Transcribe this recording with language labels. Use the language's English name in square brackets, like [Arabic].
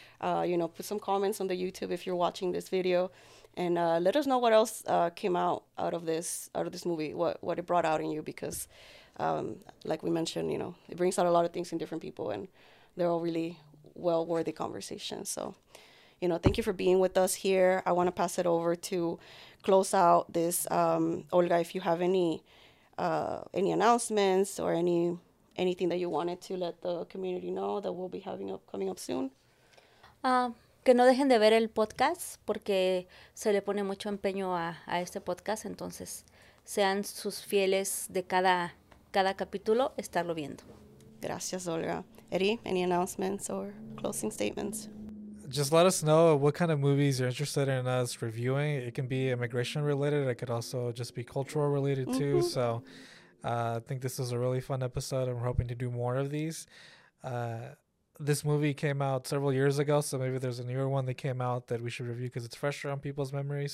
[English] You know, put some comments on the YouTube if you're watching this video. And let us know what else came out of this movie, what it brought out in you, because like we mentioned, you know, it brings out a lot of things in different people, and they're all really well worthy conversations. So, you know, thank you for being with us here. I want to pass it over to close out this. Olga, if you have any announcements or anything that you wanted to let the community know that we'll be having coming up soon. [Spanish] Que no dejen de ver el podcast, porque se le pone mucho empeño a este podcast. Entonces, sean sus fieles de cada capítulo, estarlo viendo. Gracias, Olga. [English] Eddie, any announcements or closing statements? Just let us know what kind of movies you're interested in us reviewing. It can be immigration related. It could also just be cultural related too. Mm-hmm. So, I think this was a really fun episode. I'm hoping to do more of these. This movie came out several years ago, so maybe there's a newer one that came out that we should review because it's fresher on people's memories.